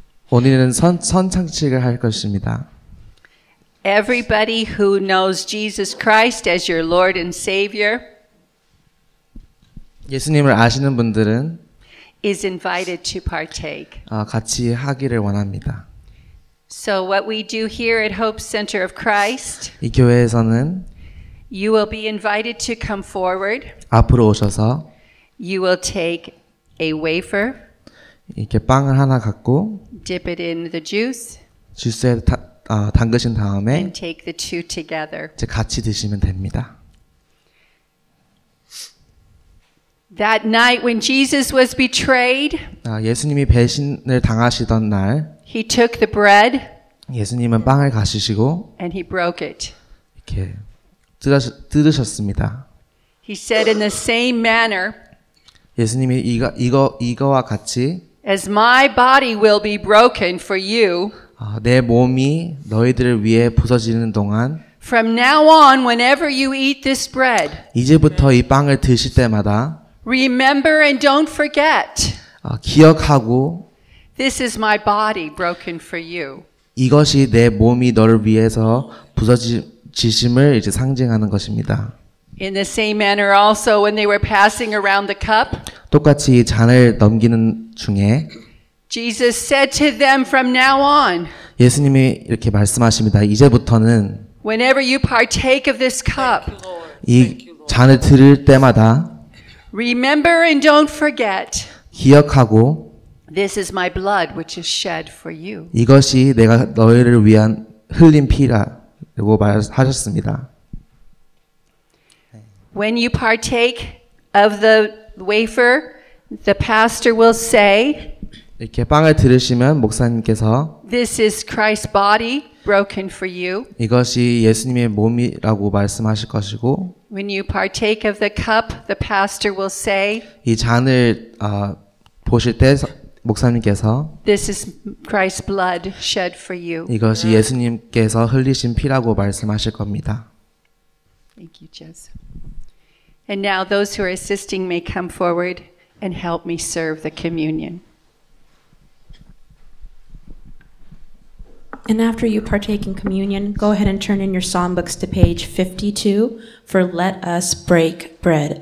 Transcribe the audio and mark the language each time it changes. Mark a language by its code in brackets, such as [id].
[ko] 오늘은 선창식을 할 것입니다. [en] Everybody who knows Jesus Christ as your Lord and Savior. [ko] 예수님을 아시는 분들은 [en] is invited to partake. [ko] 같이 하기를 원합니다. [en] So what we do here at Hope Center of Christ, [ko] 이 교회에서는 [en] you will be invited to come forward. [ko] 앞으로 오셔서 [en] you will take a wafer. [ko] 이렇게 빵을 하나 갖고 [en] dip it in the juice. [ko] 주스에 담그신 다음에 [en] and take the two together. [ko] 이제 같이 드시면 됩니다. [en] That night when Jesus was betrayed, [ko] 예수님이 배신을 당하시던 날 [en] he took the bread. [ko] 예수님은 빵을 가시시고 [en] and he broke it. [ko] 이렇게 뜯으셨습니다. [en] He said in the same manner. [ko] 예수님이 이거와 같이 [en] as my body will be broken for you. [ko] 내 몸이 너희들을 위해 부서지는 동안 [en] from now on whenever you eat this bread. [ko] 이제부터 이 빵을 드실 때마다 [en] remember and don't forget. [ko] 기억하고 [en] this is my body broken for you. [ko] 이것이 내 몸이 너를 위해서 부서지심을 이제 상징하는 것입니다. [en] In the same manner also when they were passing around the cup. [ko] 똑같이 잔을 넘기는 중에 [en] Jesus said to them from now on. [ko] 예수님이 이렇게 말씀하십니다. 이제부터는 [en] whenever you partake of this cup. [ko] 이 잔을 드릴 때마다 [en] remember and don't forget. [ko] 기억하고 [en] this is my blood which is shed for you. [ko] 이것이 내가 너희를 위한 흘린 피라고 말하셨습니다. [en] When you partake of the wafer, the pastor will say, [ko] 이렇게 빵을 들으시면 목사님께서 [en] this is Christ's body broken for you. [ko] 이것이 예수님의 몸이라고 말씀하실 것이고 [en] when you partake of the cup, the pastor will say, [ko] 이 잔을 보실 때 목사님께서 [en] this is Christ's blood shed for you. [ko] 이것이 예수님께서 흘리신 피라고 말씀하실 겁니다. [en] Thank you, Jesus. And now those who are assisting may come forward and help me serve the communion. And after you partake in communion, go ahead and turn in your psalm books to page 52 for Let Us Break Bread.